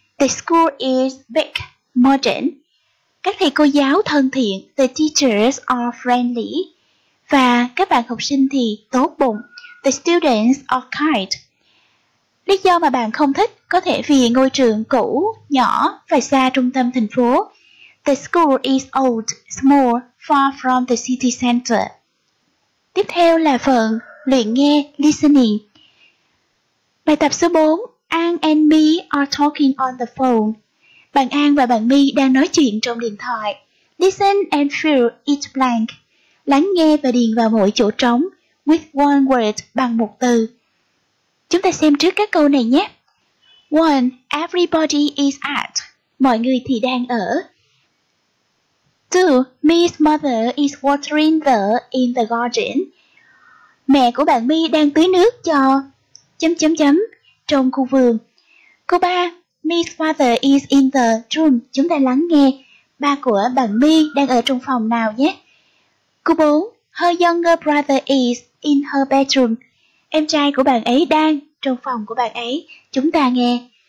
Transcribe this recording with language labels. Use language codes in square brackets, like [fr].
[en] The school is big, modern. [vi] Các thầy cô giáo thân thiện. [en] The teachers are friendly. [vi] Và các bạn học sinh thì tốt bụng. [en] The students are kind. [vi] Lý do mà bạn không thích có thể vì ngôi trường cũ, nhỏ và xa trung tâm thành phố. [en] The school is old, small, far from the city center. [vi] Tiếp theo là phần luyện nghe, listening. Bài tập số 4. [en] An and Mi are talking on the phone. [vi] Bạn An và bạn Mi đang nói chuyện trong điện thoại. [en] Listen and fill each blank. [vi] Lắng nghe và điền vào mỗi chỗ trống. [en] With one word, [vi] bằng một từ. Chúng ta xem trước các câu này nhé. 1. [en] Everybody is at. [vi] Mọi người thì đang ở. 2. [en] Mi's mother is watering the in the garden. [vi] Mẹ của bạn Mi đang tưới nước cho trong khu vườn. Câu 3. [en] Mi's father is in the room. [vi] Chúng ta lắng nghe. Ba của bạn Mi đang ở trong phòng nào nhé. Câu 4. [en] Her younger brother is in her bedroom. [vi] Em trai của bạn ấy đang trong phòng của bạn ấy. Chúng ta nghe.